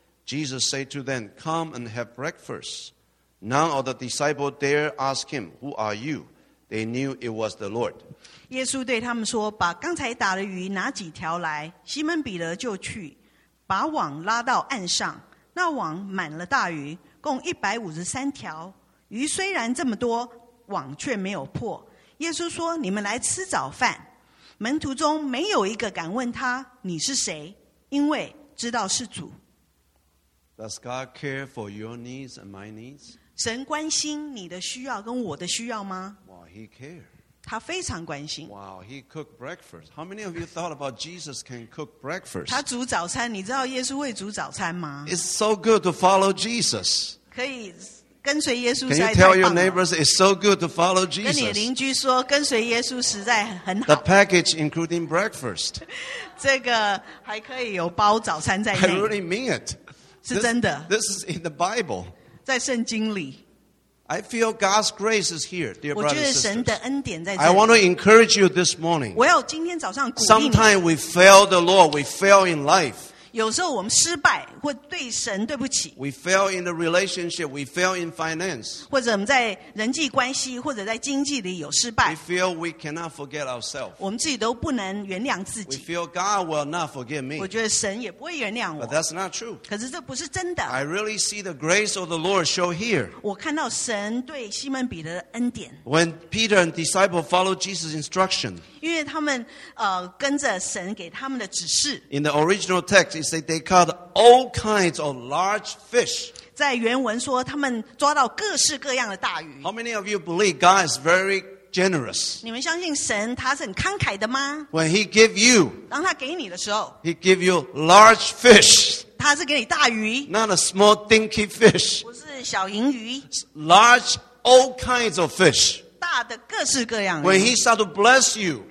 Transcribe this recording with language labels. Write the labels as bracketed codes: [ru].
[en] Jesus said to them, "Come and have breakfast." None of the disciples dared ask him, "Who are you?" They knew it was the Lord. [zh] 耶稣对他们说，把刚才打的鱼拿几条来。西门彼得就去，把网拉到岸上。那网满了大鱼，共153条。鱼虽然这么多，网却没有破。耶稣说，你们来吃早饭。门徒中没有一个敢问他你是谁，因为知道是主。 [en] Does God care for your needs and my needs? [zh] 神关心你的需要跟我的需要吗？ [en] Wow, he cares. [zh] 他非常关心。 [en] Wow, he cooked breakfast. How many of you thought about Jesus can cook breakfast? [zh] 他煮早餐，你知道耶稣会煮早餐吗？ [en] It's so good to follow Jesus. [zh] 可以跟随耶稣。 [en] Can you tell your neighbors it's so good to follow Jesus? [zh] 跟你邻居说跟随耶稣实在很好。 [en] The package including breakfast. [zh] 这个还可以有包早餐在内。 [en] I really mean it. [zh] 是真的。 [en] This is in the Bible. [zh] 在圣经里。 [en] I feel God's grace is here, dear brothers and sisters. [zh] 我觉得神的恩典在这 [en] 里。I want to encourage you this morning. [zh] 我要今天早上鼓励你。 [en] Sometimes we fail the Lord, we fail in life. [zh] 有时候我们失败，或对神对不起。 [en] We fail in the relationship, we fail in finance. [zh] 或者我们在人际关系，或者在经济里有失败。 [en] We feel we cannot forget ourselves. [zh] 我们自己都不能原谅自己。 [en] We feel God will not forgive me. [zh] 我觉得神也不会原谅我。 [en] But that's not true. [zh] 可是这不是真的。 [en] I really see the grace of the Lord show here. [zh] 我看到神对西门彼得的恩典。 [en] When Peter and disciple followed Jesus' instruction. [zh] 因为他们跟着神给他们的指示。 [en] In the original text. He said they caught all kinds of large fish. [zh] 在原文说，他们抓到各式各样的大鱼。 [en] How many of you believe God is very generous? [zh] 你们相信神他是很慷慨的吗？ [en] When He give you, [zh] 当他给你的时候， [en] He give you large fish. [zh] 他是给你大鱼, [en] not a small dinky fish. [zh] 不是小银鱼, [en] large, all kinds of fish. [zh] 大的各式各样的, [en] when he start to bless you,